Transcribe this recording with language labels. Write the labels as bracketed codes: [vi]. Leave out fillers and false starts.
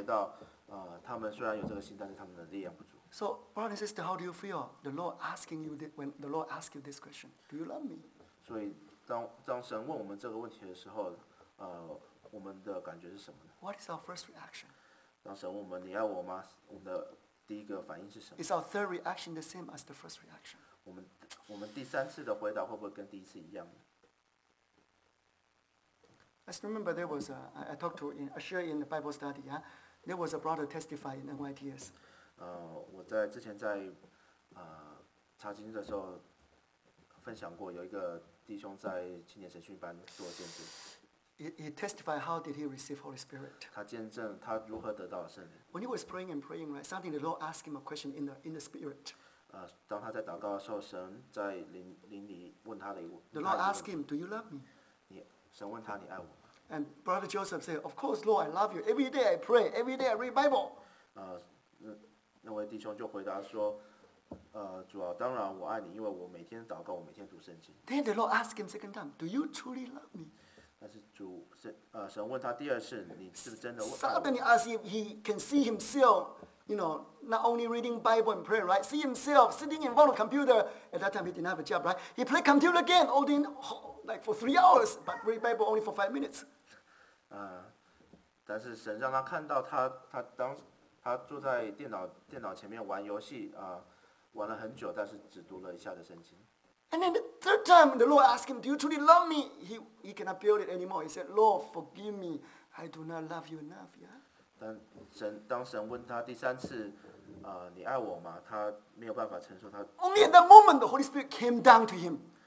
[zh] 就像所以约伯就像彼得这里一样，他神看到所有的全部，他所以让他们了解到，他们虽然有这个心，但是他们的力量不足。 [en] So, brother and sister, how do you feel? The Lord asking you this, when the Lord asks you this question, do you love me? [zh] 所以当神问我们这个问题的时候, 我们的感觉是什么呢? [en] What is our first reaction? [zh] 当神问我们, 你爱我吗? 我们的, 第一个反应是什么？ [en] Is our third reaction the same as the first reaction? [zh] 我们第三次的回答会不会跟第一次一样？ [en] I still remember there was I talked to Asher in the Bible study. Yeah, there was a brother testify in NYTS. [zh] 我在之前在查经的时候分享过，有一个弟兄在青年神训班做见证。 [en] He testified how did he receive Holy Spirit. [zh] 他见证他如何得到圣灵。 [en] When he was praying and praying, right, something the Lord asked him a question in the spirit. [zh] 当他在祷告的时候，神在灵里问他的一个问题。 [en] The Lord asked him, "Do you love me?" [zh] 神问他，你爱我吗？ [en] And Brother Joseph said, "Of course, Lord, I love you. Every day I pray. Every day I read Bible." [zh] 那位弟兄就回答说，主啊，当然我爱你，因为我每天祷告，我每天读圣经。 [en] Then the Lord asked him second time, "Do you truly love me?" [zh] 神问他第二次，你是不是真的爱我？ [en] Suddenly as if he can see himself, you know, not only reading Bible and praying, right? See himself sitting in front of computer. At that time he didn't have a job, right? He played computer game all day, like for 3 hours, but read Bible only for 5 minutes. [zh] 但是神让他看到他坐在电脑前面玩游戏，玩了很久，但是只读了一下的圣经。 [en] And then the third time, the Lord asked him, "Do you truly love me?" He cannot build it anymore. He said, "Lord, forgive me. I do not love you enough." Yeah. [zh] 当神问他第三次，你爱我吗？他没有办法承受他。 [en] Only at that moment, the Holy Spirit came down to him.